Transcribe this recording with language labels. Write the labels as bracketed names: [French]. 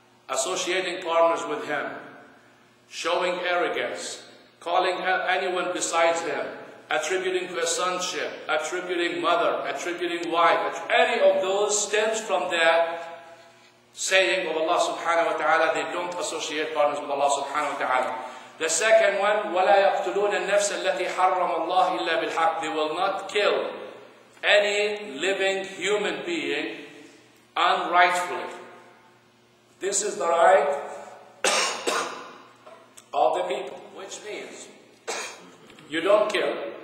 [English] Associating partners with Him, showing arrogance, calling anyone besides Him, attributing to a sonship, attributing mother, attributing wife, any of those stems from that saying of Allah subhanahu wa ta'ala, they don't associate partners with Allah subhanahu wa ta'ala. The second one, [Arabic] وَلَا يَقْتُلُونَ النَّفْسَ الَّتِي حَرَّمَ اللَّهِ إِلَّا بِالْحَقِّ. [English] They will not kill any living human being unrightfully. This is the right of the people, which means you don't kill.